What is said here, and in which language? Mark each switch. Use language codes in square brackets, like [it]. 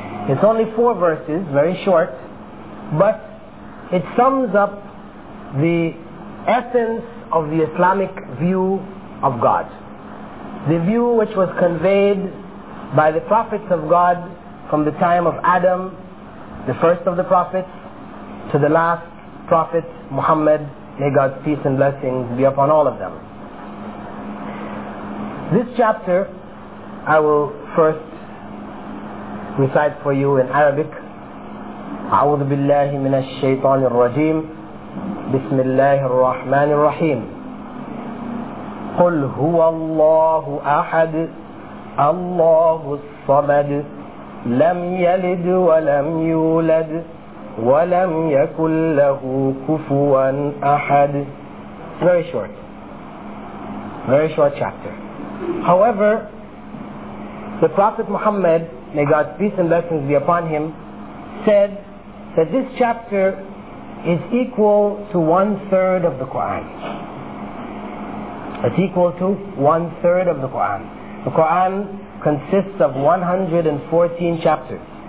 [en] It's only four verses, very short, but it sums up the essence of the Islamic view of God, the view which was conveyed by the prophets of God from the time of Adam, the first of the prophets, to the last prophet, Muhammad, may God's peace and blessings be upon all of them. This chapter, I will first recite for you in Arabic. [ar] أعوذ بالله من الشيطان الرجيم بسم الله الرحمن الرحيم قل هو الله أحد الله الصمد لم يلد ولم يولد ولم يكن له كفوا أحد. [en] Very short chapter. However, the Prophet Muhammad, may God's peace and blessings be upon him, said that this chapter is equal to one-third of the Qur'an. It's equal to one-third of the Qur'an. The Qur'an consists of 114 chapters.